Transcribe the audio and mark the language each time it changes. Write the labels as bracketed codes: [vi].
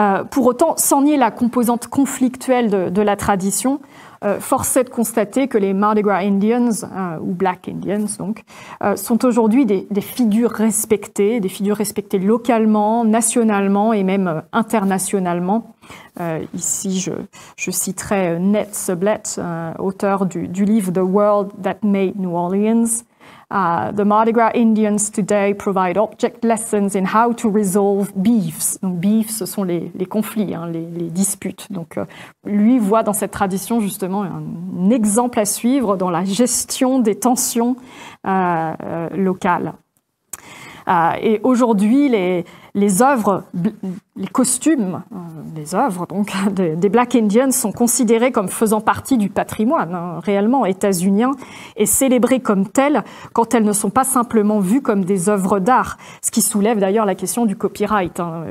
[fr] Pour autant, sans nier la composante conflictuelle de la tradition, force est de constater que les Mardi Gras Indians, ou Black Indians donc, sont aujourd'hui des figures respectées localement, nationalement et même internationalement. Ici, je citerai Ned Sublette, auteur du livre « The World That Made New Orleans ». [en] The Mardi Gras Indians today provide object lessons in how to resolve beefs. [fr] Donc, beefs, ce sont les conflits, hein, les disputes. Donc, lui voit dans cette tradition justement un exemple à suivre dans la gestion des tensions locales. Et aujourd'hui, les œuvres, les costumes, les œuvres donc des Black Indians sont considérés comme faisant partie du patrimoine, hein, réellement états-unien, et célébrés comme tels quand elles ne sont pas simplement vues comme des œuvres d'art, ce qui soulève d'ailleurs la question du copyright. Hein.